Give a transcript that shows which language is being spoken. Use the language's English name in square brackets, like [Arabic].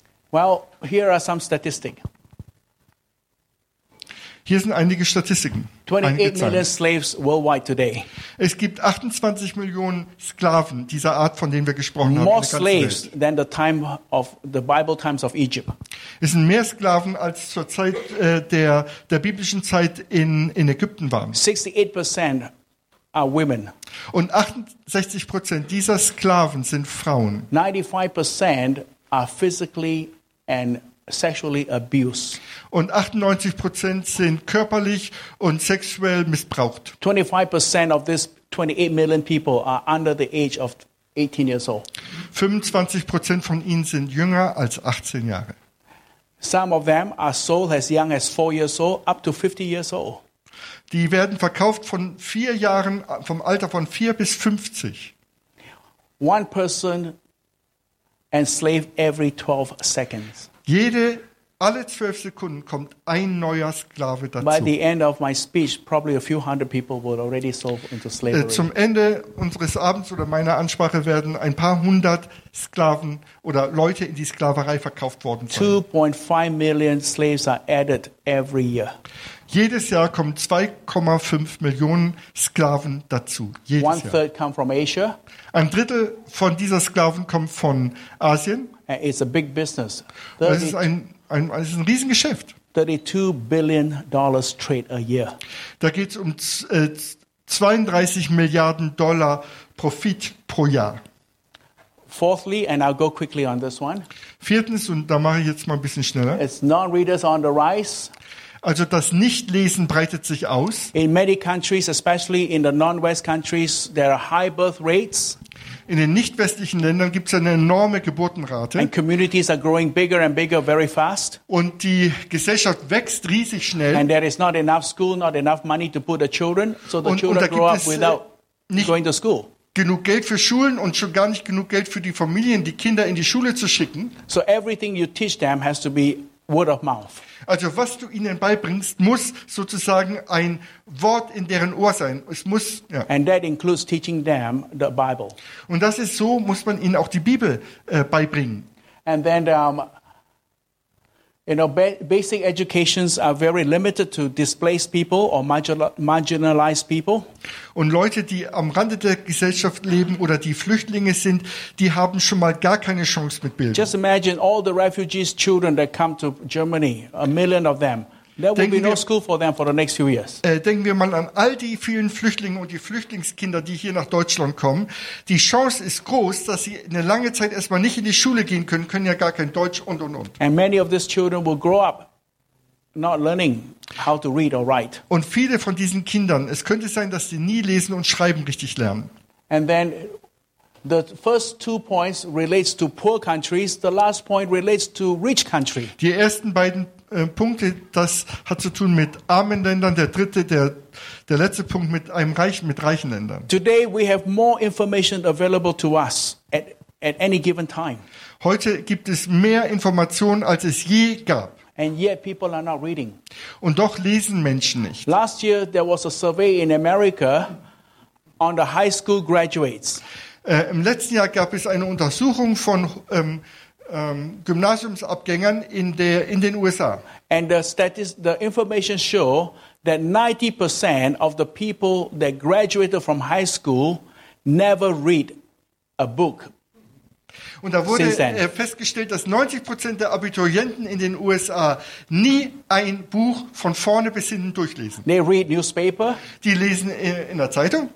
[English] Well, here are some statistics. [German] Hier sind einige Statistiken. [English] 28 million slaves worldwide today. [German] Es gibt 28 Millionen Sklaven dieser Art, von denen wir gesprochen haben. [English] More slaves than the time of the Bible times of Egypt. [German] Es sind mehr Sklaven als zur Zeit der biblischen Zeit in Ägypten waren. [English] 68% are women. [German] Und 68% dieser Sklaven sind Frauen. [English] 95% are physically and sexually abused. [German] Und 98% sind körperlich und sexuell missbraucht. [English] 25% of these 28 million people are under the age of 18 years old. [German] 25% von ihnen sind jünger als 18 Jahre. [English] Some of them are sold as young as 4 years old up to 50 years old. [German] Die werden verkauft von 4 Jahren vom Alter von 4 bis 50. [English] One person enslaved every 12 seconds. [German] Alle 12 Sekunden kommt ein neuer Sklave dazu. [English] By the end of my speech, probably a few hundred people will already sold into slavery. [German] Zum Ende unseres Abends oder meiner Ansprache werden ein paar hundert Sklaven oder Leute in die Sklaverei verkauft worden sein. [English] 2.5 million slaves are added every year. [German] Jedes Jahr kommen 2,5 Millionen Sklaven dazu. Jedes [English] One third [German] Jahr. [English] Come from Asia. [German] Ein Drittel von dieser Sklaven kommt von Asien. [English] It's a big business. [German] Es ist ein Riesengeschäft. [English] $32 billion trade a year. [German] Da geht es um 32 Milliarden Dollar Profit pro Jahr. [English] Fourthly, and I'll go quickly on this one. [German] Viertens, und da mache ich jetzt mal ein bisschen schneller. [English] It's non-readers on the rise. [German] Also das Nichtlesen breitet sich aus. [English] In many countries, especially in the non-west countries, there are high birth rates. [German] In den nichtwestlichen Ländern gibt es eine enorme Geburtenrate. [English] And communities are growing bigger and bigger very fast. [German] Und die Gesellschaft wächst riesig schnell. [English] And there is not enough school, not enough money to put the children, so the children grow up without going to school. [German] Genug Geld für Schulen und schon gar nicht genug Geld für die Familien, die Kinder in die Schule zu schicken. [English] So everything you teach them has to be word of mouth. [German] Also was du ihnen beibringst, muss sozusagen ein Wort in deren Ohr sein. Es muss, ja. [English] And that includes teaching them the Bible. [German] Und das ist so, muss man ihnen auch die Bibel beibringen. [English] And then basic educations are very limited to displaced people or marginalized people. [German] Und Leute, die am Rande der Gesellschaft leben oder die Flüchtlinge sind, die haben schon mal gar keine Chance mit Bildung. [English] Just imagine all the refugees' children that come to Germany, a million of them. There will be no school for them for the next few years. [German] Denken wir mal an all die vielen Flüchtlinge und die Flüchtlingskinder, die hier nach Deutschland kommen. Die Chance ist groß, dass sie eine lange Zeit erstmal nicht in die Schule gehen können ja gar kein Deutsch und. [English] And many of these children will grow up not learning how to read or write. [German] Und viele von diesen Kindern, es könnte sein, dass sie nie lesen und schreiben richtig lernen. [English] And then the first two points relates to poor countries, the last point relates to rich country. [German] Die ersten beiden Punkte, das hat zu tun mit armen Ländern. Der dritte, der letzte Punkt mit reichen Ländern. [English] Today we have more information available to us at any given time. [German] Heute gibt es mehr Informationen, als es je gab. [English] And yet people are not reading. [German] Und doch lesen Menschen nicht. [English] Last year there was a survey in America on the high school graduates. [German] Im letzten Jahr gab es eine Untersuchung von Gymnasiumsabgängern in den USA. [English] And the information show that 90% of the people that graduated from high school never read a book. [German] Und da wurde festgestellt, dass 90% der Abiturienten in den USA nie ein Buch von vorne bis hinten durchlesen. [English] They read newspaper. [German] Die lesen in der Zeitung.